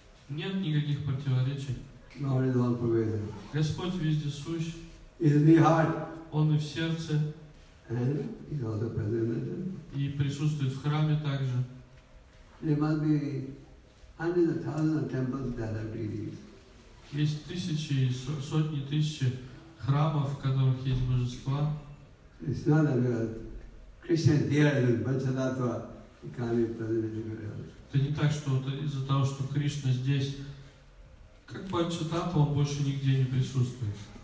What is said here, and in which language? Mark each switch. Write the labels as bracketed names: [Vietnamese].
[Russian] Нет никаких противоречий. [English] Lord is all pervading. [Russian] Господь вездесущ. [English] Is in the heart. [Russian] Он и в сердце. [English] And he is also present. [Russian] И присутствует в храме также. [English] There must be hundreds of thousands of temples that are deities. [Russian] Есть тысячи, сотни тысяч храмов, в которых есть божества. Это не так, что вот из-за того, что Кришна здесь, как Панчататва, он больше нигде не присутствует.